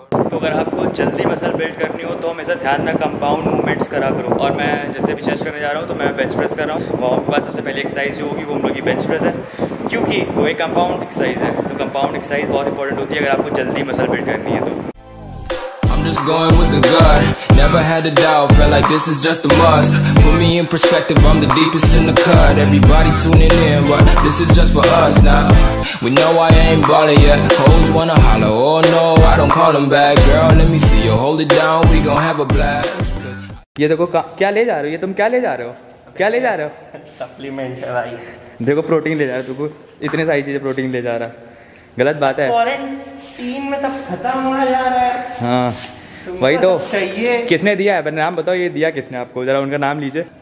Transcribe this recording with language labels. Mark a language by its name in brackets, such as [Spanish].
[Hindi] तो अगर आपको जल्दी मसल बिल्ड करनी हो तो हमेशा ध्यान रखना कंपाउंड मूवमेंट्स करा करो। और मैं जैसे भी चेस्ट करने जा रहा हूँ तो मैं बेंच प्रेस कर रहा हूँ। वार्म अप के बाद सबसे पहले एक्सरसाइज जो होगी वो हम लोग की बेंच प्रेस है, क्योंकि वो एक कंपाउंड एक्सरसाइज है। तो कंपाउंड एक्सरसाइज बहुत इंपॉर्टेंट होती है अगर आपको जल्दी मसल बिल्ड करनी है तो। [English] Just going with the gut, never had a doubt, felt like this is just a must. Put me in perspective, I'm the deepest in the cut. Everybody tuning in, but this is just for us now. We know I ain't ballin' yet, hoes wanna holler, oh no, I don't call them back. Girl, let me see you hold it down, we gon' have a blast. [Hindi] ये देखो क्या ले जा रहे हो, ये तुम क्या ले जा रहे हो, क्या ले जा रहे हो? सप्लीमेंट है भाई। देखो प्रोटीन ले जा रहे हो, तुमको इतने सारी चीजें प्रोटीन ले जा रहा, गलत बात है। क्वारंटाइन में सब खत्म होने जा रहा है। हाँ वही तो, किसने दिया है नाम बताओ, ये दिया किसने आपको, जरा उनका नाम लीजिए।